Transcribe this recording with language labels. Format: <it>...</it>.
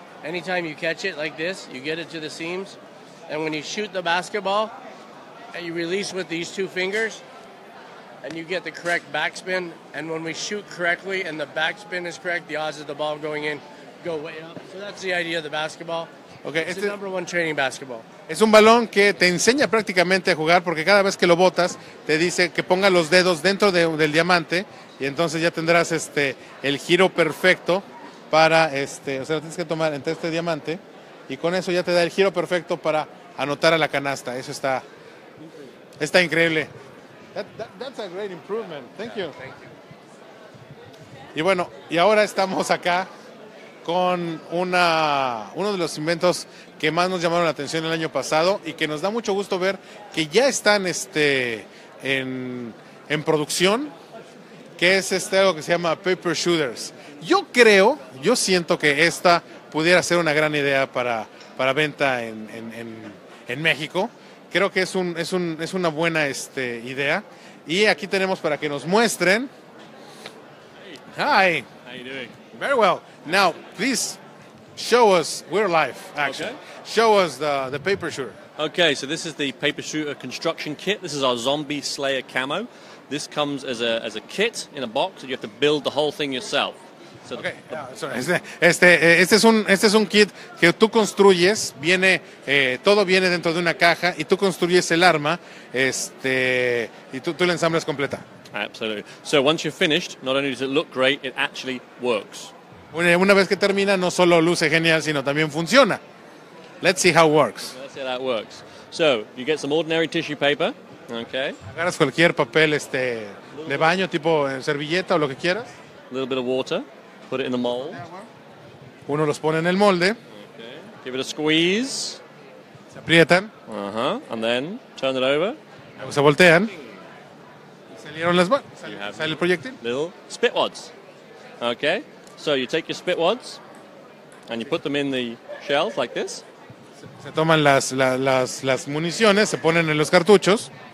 <en>Anytime you catch it like this, you get it to the seams. And when you shoot the basketball, and you release with these two fingers, and you get the correct backspin. And when we shoot correctly and the backspin is correct, the odds of the ball going in go way up. So that's the idea of the basketball. Okay, it's the number one training basketball.</en> <es>Es un balón que te enseña prácticamente a jugar porque cada vez que lo botas, te dice que ponga los dedos dentro del diamante. Y entonces ya tendrás el giro perfecto para o sea, lo tienes que tomar entre este diamante y con eso ya te da el giro perfecto para anotar a la canasta. Eso está increíble.</es> <en>That's a great improvement. Thank you. Thank you.</en> <es>Y bueno, y ahora estamos acá con uno de los inventos que más nos llamaron la atención el año pasado y que nos da mucho gusto ver que ya están en producción, que es algo que se llama Paper Shooters. Yo siento que esta pudiera ser una gran idea para venta en México. Creo que es una buena idea. Y aquí tenemos para que nos muestren.</es> <en>Hey. Hi. How you doing? Very well. Now, please show us, we're live, actually. Okay. Show us the paper shooter. Okay, so this is the paper shooter construction kit. This is our Zombie Slayer camo. This comes as a kit in a box, and you have to build the whole thing yourself. So okay,</en> <es>este es un kit que tú construyes. Viene todo viene dentro de una caja, y tú construyes el arma, y tú la ensamblas completa.</es> <en>Absolutely. So once you're finished, not only does it look great, it actually works.</en> <es>Una vez que termina, no solo luce genial, sino también funciona.</es> <en>Let's see how it works. Let's see how that works. So you get some ordinary tissue paper. Okay.</en> <es>Agarras cualquier papel de baño, tipo servilleta o lo que quieras.</es> <en>A little bit of water. Put it in the mold.</en> <es>Uno los pone en el molde.</es> <en>Okay. Give it a squeeze.</en> <es>Se aprietan.</es> <en>Uh-huh. And then turn it over.</en> <es>Se voltean. Salieron las balas. Sale el proyectil.</es> <en>Little spit wads. Okay. So you take your spit wads and you put them in the shells like this.</en> <es>Se toman las municiones, se ponen en los cartuchos.</es>